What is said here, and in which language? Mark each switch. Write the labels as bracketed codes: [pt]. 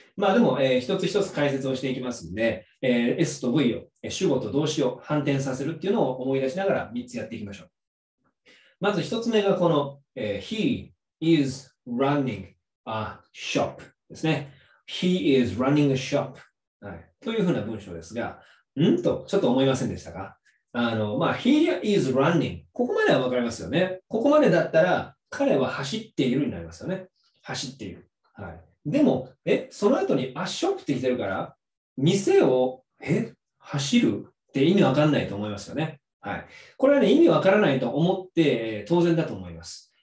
[ja] まあでも、一つ一つ解説をしていきますんで、S と V を、主語と動詞を反転させるっていうのを思い出しながら3つやっていきましょう。まず1つ目がこの、 [en] He is running a shop [ja] ですね。 [en] He is running a shop。 [ja] はい、というふうな文章ですが、んと、ちょっと思いませんでしたか？ [en] まあ、he is running。 [ja] ここまではわかりますよね。ここまでだったら、彼は走っているになりますよね。走っている。はい。でも、その後に、a shop って来てるから、店を、走るって意味わかんないと思いますよね。はい。これはね、意味わからないと思って、当然だと思います。